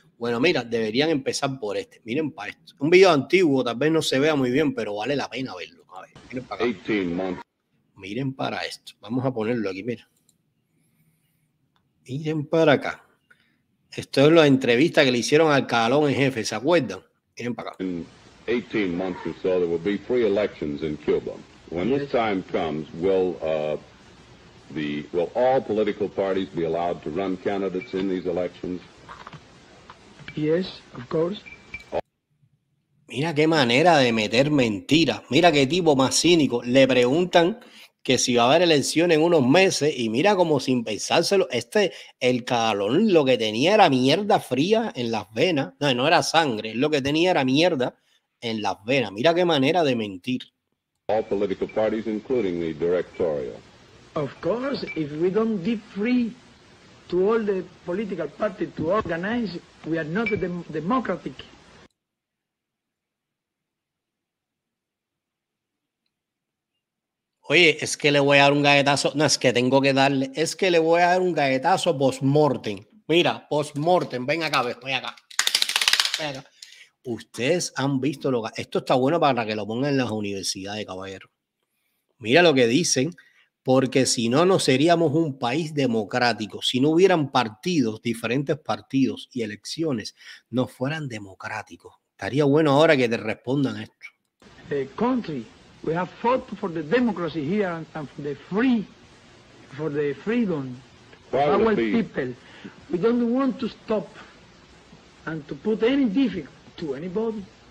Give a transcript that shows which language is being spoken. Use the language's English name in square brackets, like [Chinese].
[Spanish] Bueno, mira, deberían empezar por este. Miren para esto. Un video antiguo, tal vez no se vea muy bien, pero vale la pena verlo. A ver, miren para acá. Miren para esto. Vamos a ponerlo aquí, mira. Miren para acá. Esto es la entrevista que le hicieron al cagalón en jefe, ¿se acuerdan? Miren para acá. En [English] 18 [Spanish] meses o [English] so, there will be three elections in Cuba. When this time comes, will all political parties be allowed to run candidates in these elections? Yes, of course. [Spanish] Mira qué manera de meter mentiras. Mira qué tipo más cínico. Le preguntan que si va a haber elecciones en unos meses y mira como sin pensárselo, este, el cagalón lo que tenía era mierda fría en las venas. No, no era sangre, lo que tenía era mierda en las venas. Mira qué manera de mentir. [English] All political parties, including the directorial. Of course, if we don't give free to all the political parties to organize, we are not democratic. [Spanish] Oye, es que le voy a dar un galletazo. No, es que tengo que darle. Es que le voy a dar un galletazo post-mortem. Mira, post-mortem. Ven acá, ven, ven acá. Venga. Ustedes han visto lo que... Esto está bueno para que lo pongan en las universidades, caballero. Mira lo que dicen. Porque si no, no seríamos un país democrático. Si no hubieran partidos, diferentes partidos y elecciones, no fueran democráticos. Estaría bueno ahora que te respondan esto. [English] Country, we have fought for the democracy here and for the freedom of our people. We don't want to stop and to put any difficulty to anybody.